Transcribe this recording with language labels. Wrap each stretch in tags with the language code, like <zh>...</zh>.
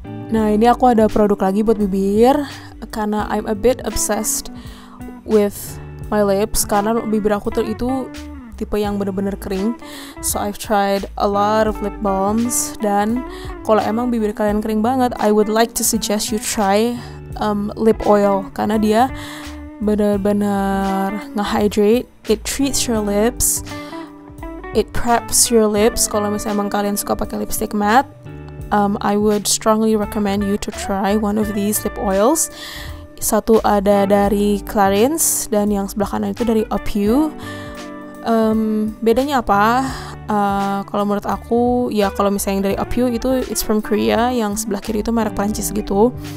<id>Nah, ini aku ada produk lagi buat bibir, karena</id> <en>I'm a bit obsessed with my lips,</en> <id>karena bibir aku tuh itu tipe yang bener-bener kering.</id> <en>So I've tried a lot of lip balms,</en> <id>dan kalau emang bibir kalian kering banget,</id> <en>I would like to suggest you try lip oil,</en> <id>karena dia bener-bener nge-hydrate,</id> <en>it treats your lips, it preps your lips.</en> <id>Kalau misalnya emang kalian suka pakai lipstick matte,</id> <en>I would strongly recommend you to try one of these lip oils.</en> <id>Satu ada dari Clarins, dan yang sebelah kanan itu dari Opu. Bedanya apa? Kalau menurut aku, ya kalau misalnya yang dari Opu itu</id> <en>it's from Korea,</en> <id>yang sebelah kiri itu merek Prancis gitu.</id>